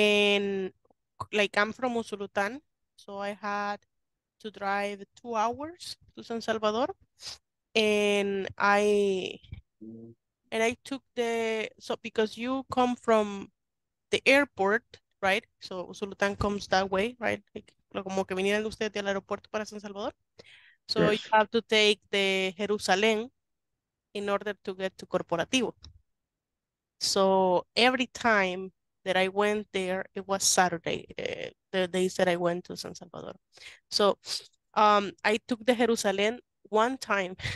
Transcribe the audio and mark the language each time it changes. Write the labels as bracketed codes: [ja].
[en] And like I'm from Usulután, so I had to drive 2 hours to San Salvador, and I took the, so because you come from the airport, right? So Usulután comes that way, right? [es] Like como que vinieron ustedes del aeropuerto para San Salvador. [en] So yes. You have to take the Jerusalén in order to get to Corporativo. So every time that I went there, it was Saturday, the days that I went to San Salvador. So I took the Jerusalén one time.